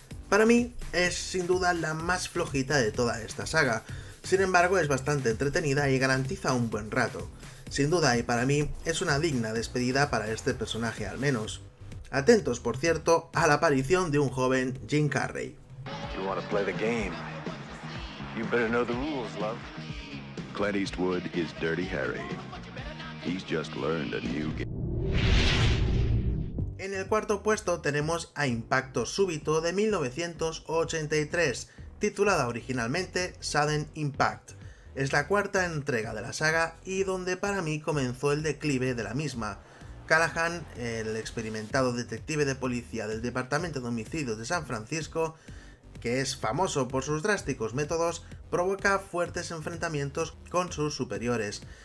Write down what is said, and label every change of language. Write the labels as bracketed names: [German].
[Spanish] Para mí es sin duda la más flojita de toda esta saga, sin embargo es bastante entretenida y garantiza un buen rato. Sin duda, y para mí, es una digna despedida para este personaje al menos. Atentos, por cierto, a la aparición de un joven Jim Carrey. [English] You want to play the game. You better know the rules, love. Clint Eastwood is Dirty Harry. He's just learned a new game. [Spanish] En el cuarto puesto tenemos a Impacto Súbito de 1983, titulada originalmente Sudden Impact. Es la cuarta entrega de la saga y donde para mí comenzó el declive de la misma. Callaghan, el experimentado detective de policía del Departamento de Homicidios de San Francisco, que es famoso por sus drásticos métodos, provoca fuertes enfrentamientos con sus superiores.